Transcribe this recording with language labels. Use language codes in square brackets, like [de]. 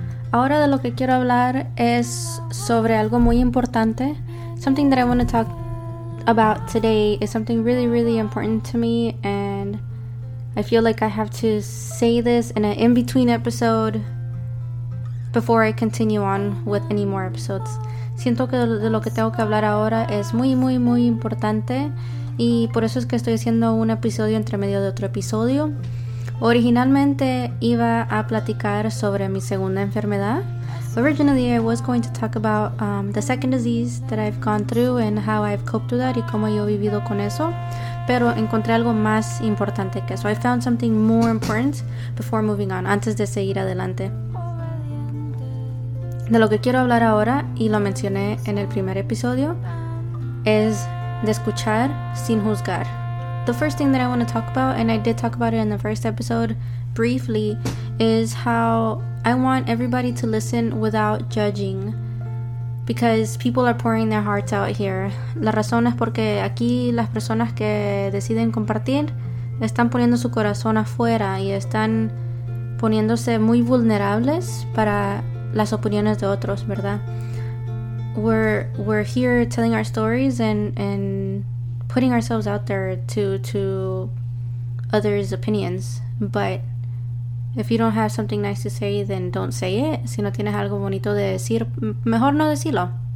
[es] Ahora de lo que quiero hablar es sobre algo muy importante. [en] Something that I want to talk about today is something really, really important to me, and I feel like I have to say this in an in-between episode before I continue on with any more episodes. [es] Siento que de lo que tengo que hablar ahora es muy, muy, muy importante, y por eso es que estoy haciendo un episodio entre medio de otro episodio. Originalmente iba a platicar sobre mi segunda enfermedad. [en] Originally, I was going to talk about the second disease that I've gone through and how I've coped with that [es] y cómo yo he vivido con eso. Pero encontré algo más importante que eso. [en] I found something more important before moving on, [es] antes de seguir adelante. De lo que quiero hablar ahora, y lo mencioné en el primer episodio, es de escuchar sin juzgar. [en] The first thing that I want to talk about, and I did talk about it in the first episode briefly, is how I want everybody to listen without judging, because people are pouring their hearts out here. [es] La razón es porque aquí las personas que deciden compartir están poniendo su corazón afuera y están poniéndose muy vulnerables para las opiniones de otros, ¿verdad? [en] We're here telling our stories and putting ourselves out there to others' opinions, but if you don't have something nice to say, then don't say it. [es] Si no tienes algo bonito de decir, mejor no decirlo.